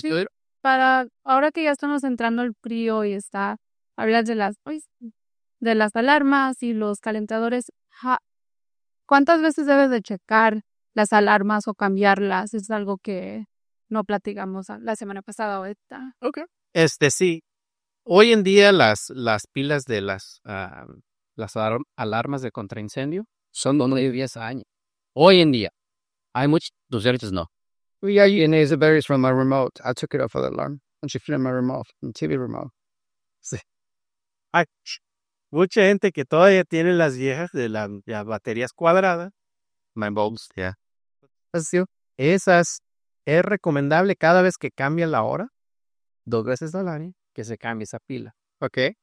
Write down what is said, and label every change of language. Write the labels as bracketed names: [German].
[Spanish] Sí, para ahora que ya estamos entrando al frío y está hablando de las alarmas y los calentadores, ¿cuántas veces debes de checar las alarmas o cambiarlas? Es algo que no platicamos la semana pasada o esta. Ok. Sí. Hoy en día las pilas de las alarmas de contraincendio son de 10 años. Hoy en día. Hay muchos tutoriales, no. [English] Yeah, you know, it varies from my remote. I took it off of the alarm. And she flipped my remote, my TV remote. [Spanish] Sí. Hay mucha gente que todavía tiene las viejas de las baterías cuadradas. [English] My bulbs, yeah. [Spanish] ¿Así? Esas. Es recomendable cada vez que cambia la hora, dos veces al año, que se cambie esa pila. Ok.